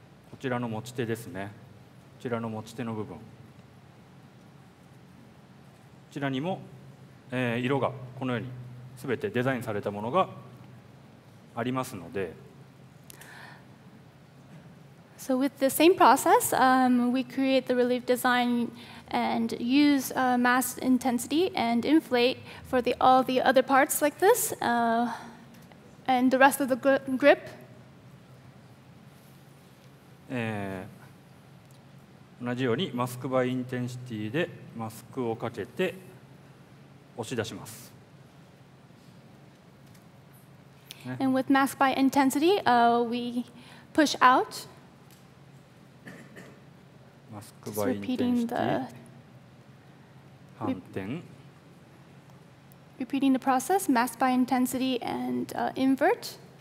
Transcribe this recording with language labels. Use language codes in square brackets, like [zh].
[ja] こちらの持ち手ですね。こちらの持ち手の部分。こちらにも、色がこのようにすべてデザインされたものがありますので。 [en] So with the same process, we create the relief design and use mass intensity and inflate for the, all the other parts like this, and the rest of the grip. [ja] 同じようにマスクバイインテンシティでマスクをかけて押し出します。 [en] ね、And with mask by intensity, we push out. [ja] マスクバイインテンシティ。反転。 [en] Repeating the process, mask by intensity and invert.